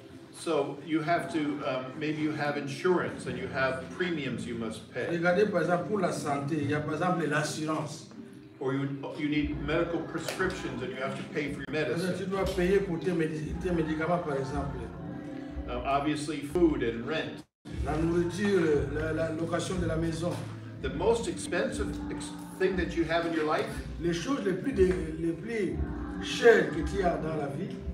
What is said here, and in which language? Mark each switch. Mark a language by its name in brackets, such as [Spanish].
[English] So you have to, maybe you have insurance and you have premiums you must pay. [French] Regardez par exemple pour la santé, il y a par exemple l'assurance. [English] Or you need medical prescriptions and you have to pay for your medicine. [French] Tu dois payer pour tes médicaments, par exemple. [English] Obviously, food and rent. [French] La nourriture, la location de la maison. [English] The most expensive thing that you have in your life? [French] Les choses les plus chères que tu as dans la vie?